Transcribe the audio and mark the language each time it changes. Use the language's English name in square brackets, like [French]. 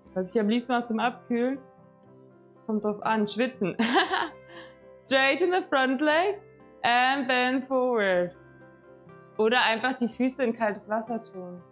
[German] Was ich am liebsten mache zum Abkühlen, kommt drauf an, schwitzen. [English] Straight in the front leg and bend forward. [German] Oder einfach die Füße in kaltes Wasser tun.